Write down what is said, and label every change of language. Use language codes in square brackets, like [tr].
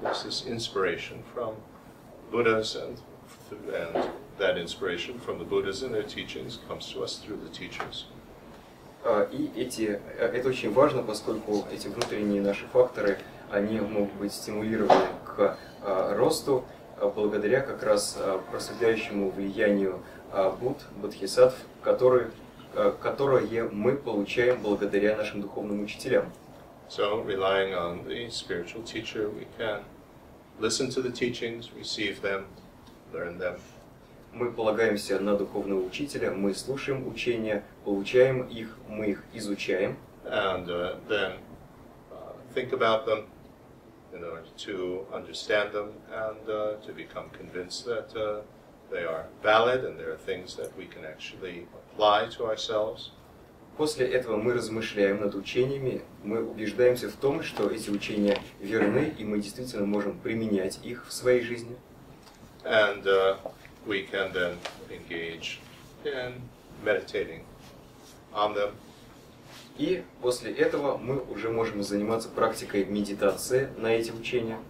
[en] This is inspiration from Buddhas and that inspiration from the Buddhas and their teachings comes to us through the teachers. [ru] И это очень важно, поскольку эти внутренние наши факторы, они могут быть стимулированы к росту благодаря как раз просветляющему влиянию Будд, Бодхисаттв, которые мы получаем благодаря нашим духовным учителям. [en] So, relying on the spiritual teacher, we can listen to the teachings, receive them, learn them. [ru] Мы полагаемся на духовного учителя, мы слушаем учения, получаем их, мы их изучаем. [en] And then think about them in order to understand them and to become convinced that they are valid and there are things that we can actually apply to ourselves. [ru] После этого мы размышляем над учениями, мы убеждаемся в том, что эти учения верны и мы действительно можем применять их в своей жизни. [en] And we can then engage in meditating on them. [ru] И после этого мы уже можем заниматься практикой медитации на эти учения.